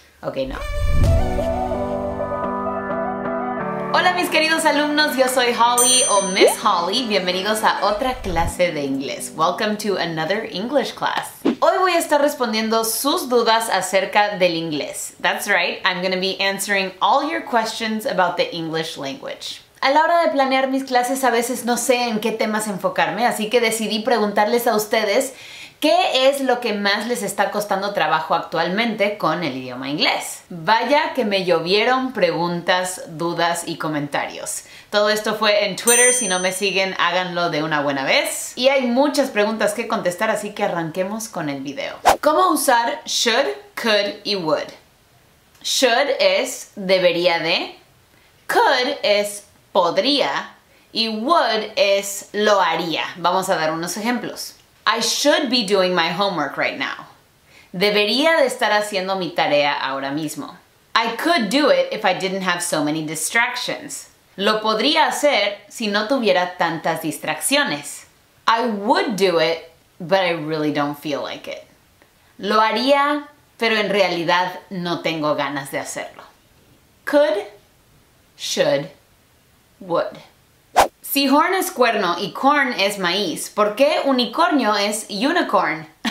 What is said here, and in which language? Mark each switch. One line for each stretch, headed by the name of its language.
English: Ok, no.
Spanish: Hola mis queridos alumnos, yo soy Holly o Miss Holly. Bienvenidos a otra clase de inglés.
English: Welcome to another English class.
Spanish: Hoy voy a estar respondiendo sus dudas acerca del inglés.
English: That's right, I'm gonna be answering all your questions about the English language.
Spanish: A la hora de planear mis clases a veces no sé en qué temas enfocarme, así que decidí preguntarles a ustedes qué es lo que más les está costando trabajo actualmente con el idioma inglés. Vaya que me llovieron preguntas, dudas y comentarios. Todo esto fue en Twitter, si no me siguen háganlo de una buena vez. Y hay muchas preguntas que contestar, así que arranquemos con el video. ¿Cómo usar should, could y would? Should es debería de, could es podría y would es lo haría. Vamos a dar unos ejemplos.
English: I should be doing my homework right now.
Spanish: Debería de estar haciendo mi tarea ahora mismo.
English: I could do it if I didn't have so many distractions.
Spanish: Lo podría hacer si no tuviera tantas distracciones.
English: I would do it, but I really don't feel like it.
Spanish: Lo haría, pero en realidad no tengo ganas de hacerlo.
English: Could, should, would.
Spanish: Si horn es cuerno y corn es maíz, ¿por qué unicornio es unicorn?